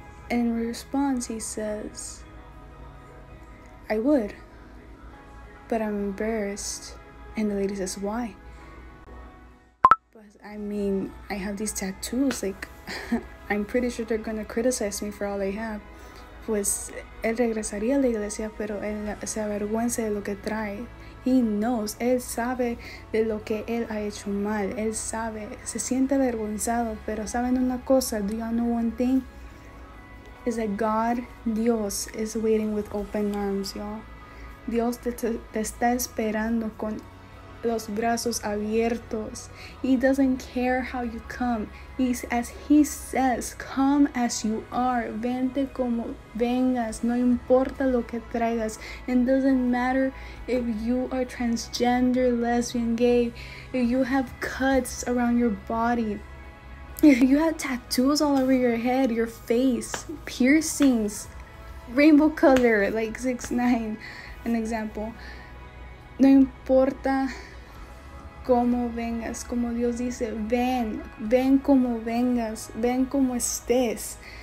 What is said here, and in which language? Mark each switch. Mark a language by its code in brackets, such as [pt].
[en] In response, he says, I would, but I'm embarrassed. And the lady says, why? But I mean, I have these tattoos, like, I'm pretty sure they're gonna criticize me for all I have. [es] Pues, él regresaría a la iglesia, pero él se avergüenza de lo que trae. [en] He knows, [es] él sabe de lo que él ha hecho mal. Él sabe, se siente avergonzado, pero saben una cosa, [en] do you know one thing? Is that God, Dios, is waiting with open arms, y'all. [es] Dios te está esperando con los brazos abiertos. [en] He doesn't care how you come. He's, as he says, come as you are. [es] Vente como vengas. No importa lo que traigas. [en] It doesn't matter if you are transgender, lesbian, gay. If you have cuts around your body. If you have tattoos all over your head, your face, piercings, rainbow color, like 6ix9ine, an example. [es] No importa como vengas, como Dios dice, ven como vengas, ven como estés.